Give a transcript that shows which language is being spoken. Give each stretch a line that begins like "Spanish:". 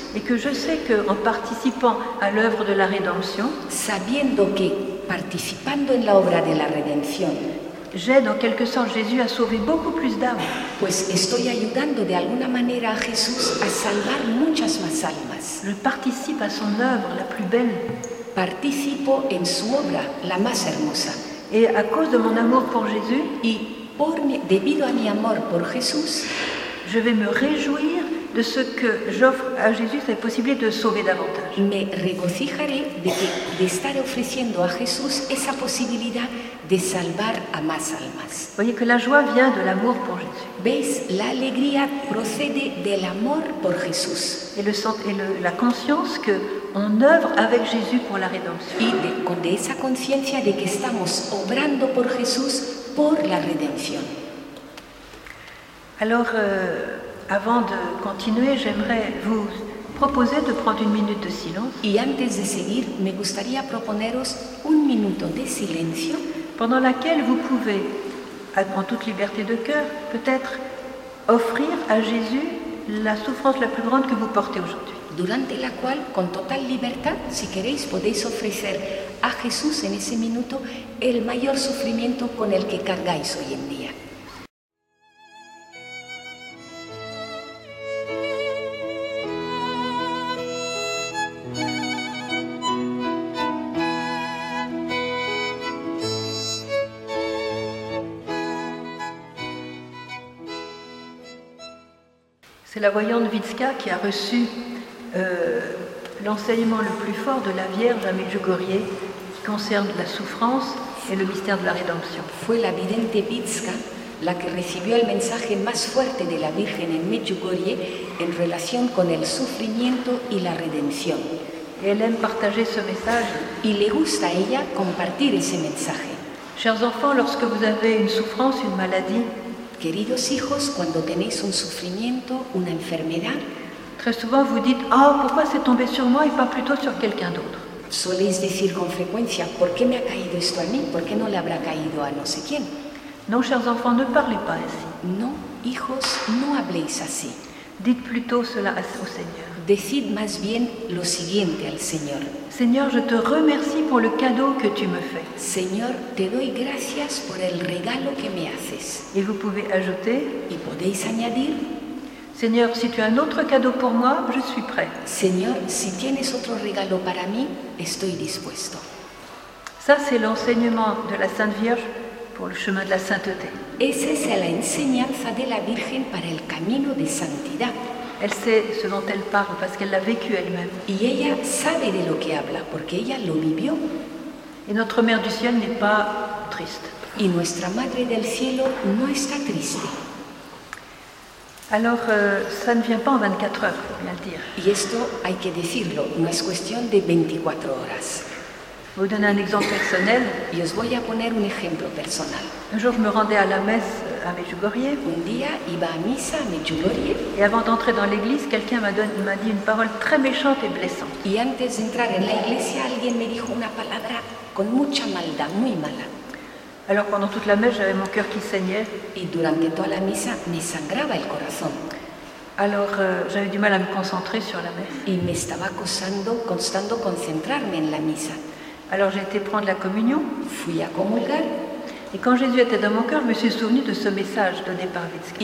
French: et que je sais que en participant à l'œuvre de la rédemption,
Spanish: sabiendo que participando en la obra de la redención,
French: j'aide en quelque sorte Jésus à sauver beaucoup plus d'âmes.
Spanish: Pues estoy ayudando de alguna manera a Jesús a salvar muchas más almas.
French: Je participe à son œuvre la plus belle.
Spanish: Participo en su obra la más hermosa.
French: Et à cause de mon amour pour Jésus,
Spanish: y debido a mi amor por Jesús,
French: je vais me réjouir de ce que j'offre à Jésus, c'est possible de sauver davantage.
Spanish: Me regocijaré de estar ofreciendo a Jesús esa posibilidad de salvar a más almas.
French: Voyez que la joie vient de l'amour pour Jésus.
Spanish: Veis, la alegría procede del amor por Jesús.
French: Et la conscience que on œuvre avec Jésus pour la rédemption.
Spanish: Y de esa conciencia de que estamos obrando por Jesús por la redención.
French: Alors, avant de continuer, j'aimerais vous proposer de prendre une minute de silence.
Spanish: Y antes de seguir, me gustaría proponeros un minuto de silencio.
French: Pendant laquelle vous pouvez, en toute liberté de cœur, peut-être offrir à Jésus la souffrance la plus grande que vous portez aujourd'hui.
Spanish: Durante la cual, con total libertad, si queréis, podéis ofrecer a Jesús en ese minuto el mayor sufrimiento con el que cargáis hoy en día.
French: C'est la voyante Witzka qui a reçu l'enseignement le plus fort de la Vierge à Medjugorje qui concerne la souffrance et le mystère de la rédemption.
Spanish: Fue la vidente Witzka la que recibió el mensaje más fuerte de la Virgen en Medjugorje en relación con el sufrimiento y la redención.
French: Et elle aime partager ce message.
Spanish: Y le gusta a ella compartir ese mensaje.
French: Chers enfants, lorsque vous avez une souffrance, une maladie,
Spanish: queridos hijos, cuando tenéis un sufrimiento, una enfermedad,
French: très souvent vous dites, ah, oh, pourquoi c'est tombé sur moi et pas plutôt sur quelqu'un d'autre.
Spanish: Soléis decir con frecuencia, ¿por qué me ha caído esto a mí? ¿Por qué no le habrá caído a no sé quién?
French: Non, chers enfants, ne parlez pas ainsi.
Spanish: Non, hijos, no habléis así.
French: Dites plutôt cela au Seigneur.
Spanish: Decid más bien lo siguiente al Señor.
French: Seigneur, je te remercie pour le cadeau que tu me fais.
Spanish: Señor, te doy gracias por el regalo que me haces.
French: Et vous pouvez ajouter.
Spanish: Y podéis añadir.
French: Seigneur, si tu as un autre cadeau pour moi, je suis prêt.
Spanish: Señor, si tienes otro regalo para mí, estoy dispuesto.
French: Ça, c'est l'enseignement de la Sainte Vierge pour le chemin de la sainteté.
Spanish: Esa es la enseñanza de la Virgen para el camino de santidad.
French: Elle sait ce dont elle parle parce qu'elle l'a vécu elle-même.
Spanish: Y ella sabe de lo que habla porque ella lo vivió.
French: Et notre Mère du Ciel n'est pas triste.
Spanish: Y nuestra Madre del Cielo no está triste.
French: Alors, ça ne vient pas en 24 heures, faut bien le dire.
Spanish: Y esto hay que decirlo, no es cuestión de 24 horas.
French: Vous donner un exemple personnel.
Spanish: Y os voy a poner un ejemplo personal.
French: Un jour, je me rendais à la messe à Medjugorje.
Spanish: Un día iba a misa a Medjugorje.
French: Et avant d'entrer dans l'église, quelqu'un m'a dit une parole très méchante et blessante.
Spanish: Y antes de entrar en la iglesia, alguien me dijo una palabra con mucha maldad, muy mala.
French: Alors pendant toute la messe, j'avais mon cœur qui saignait.
Spanish: Y durante toda la misa, me sangraba el corazón.
French: Alors j'avais du mal à me concentrer sur la messe.
Spanish: Y me estaba costando concentrarme en la misa.
French: Alors j'ai été prendre la communion.
Spanish: Fui a comulgar.
French: Et quand Jésus était dans mon cœur, je me suis souvenu de ce message donné par Witzka.